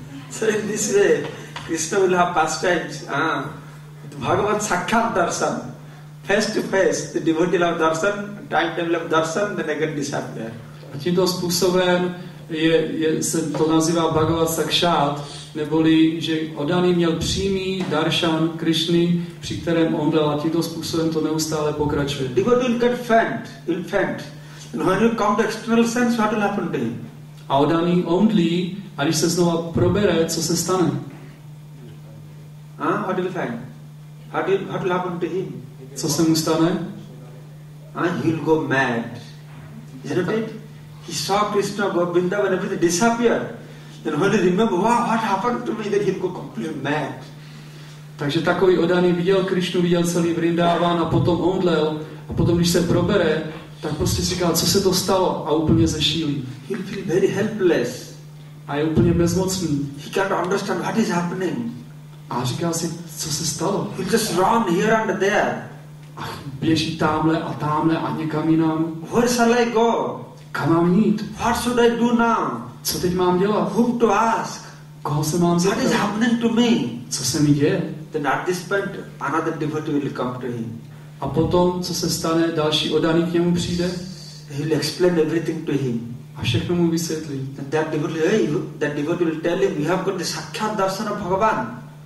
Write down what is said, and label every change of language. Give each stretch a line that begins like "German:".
English: So in this way, Krishna will have pastimes. Bhagavad Sakhat Darshan. Face to face, the devotee will have darshan, time to have darshan, then again disappear.
Czech: A tímto způsobem se to nazývá Bhagavad Sakshat, neboli, že odaný měl přímý darshan Krishny, při kterém on byl, a tímto způsobem to neustále pokračuje.
English: Devotee will get faint, will faint. And when you come to external sense, what will happen to him?
Czech: A odaný only, a když se znova probere, co se stane?
English: What will find? What will happen to him?
Czech: Co se mu stane?
English: He'll go mad. Isn't it? He saw Krishna, Govinda, when everything disappeared. Then when he remember, wow, what happened to me? Then he'll go completely mad.
Czech: Takže takový odaný viděl Krishnu, viděl celý Vrindavan a potom omdlel. A potom, když se probere, tak prostě říká, co se to stalo a úplně zešílí.
English: He feel very helpless.
Czech: A je úplně bezmocný.
English: He can't understand what is happening.
Czech: A říká si, co se stalo.
English: He just run here and there.
Czech: A běží tamhle a někam jinam.
English: Where shall I go?
Czech: Kam mám jít?
English: What should I do now?
Czech: Co teď mám dělat?
English: Whom to ask?
Czech: Koho se mám zeptat?
English: What is happening to me?
Czech: Co se mi děje?
English: Then at this point, another devotee will come to him.
Czech: A potom, co se stane, další odaný k němu přijde?
English: He'll explain everything to him.
Czech: A všechno mu vysvětlí.
English: That devotee will tell him, you have got the sakshat darshan of Bhagavan.